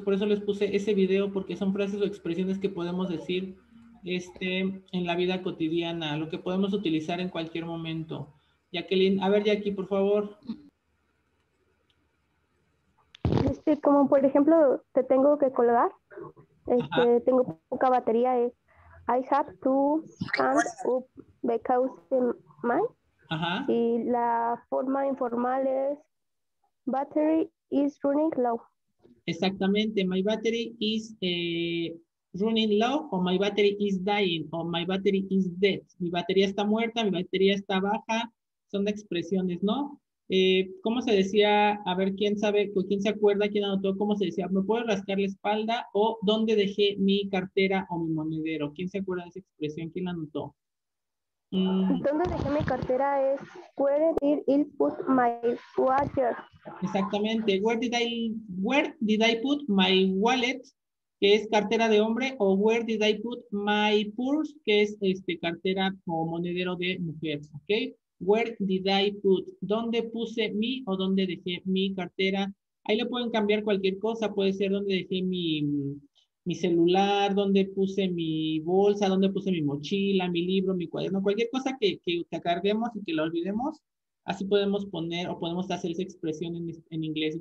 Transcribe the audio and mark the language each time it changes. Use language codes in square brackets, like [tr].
[es] Por eso les puse ese video, porque son frases o expresiones que podemos decir en la vida cotidiana, lo que podemos utilizar en cualquier momento. Jacqueline, a ver, Jackie, por favor. Como por ejemplo, te tengo que colgar. Tengo poca batería. [en] I have to hand up because mine. [es] Ajá. Y la forma informal es [en] battery is running low. Exactamente, my battery is running low, o my battery is dying, o my battery is dead. [es] Mi batería está muerta, mi batería está baja. Son expresiones, ¿no? ¿Cómo se decía? A ver, ¿quién sabe? ¿Quién se acuerda? ¿Quién anotó? ¿Cómo se decía? ¿Me puedo rascar la espalda? ¿O dónde dejé mi cartera o mi monedero? ¿Quién se acuerda de esa expresión? ¿Quién la anotó? ¿Dónde dejé mi cartera? [en] Es, where did I put my wallet? [es] Exactamente. [en] Where did I put my wallet? [es] Que es cartera de hombre. [en] ¿O where did I put my purse? [es] Que es cartera o monedero de mujer. ¿Ok? [en] Where did I put? [es] ¿Dónde puse mi o dónde dejé mi cartera? Ahí le pueden cambiar cualquier cosa. Puede ser dónde dejé mi celular, dónde puse mi bolsa, dónde puse mi mochila, mi libro, mi cuaderno. Cualquier cosa que carguemos y que lo olvidemos. Así podemos poner o podemos hacer esa expresión en inglés.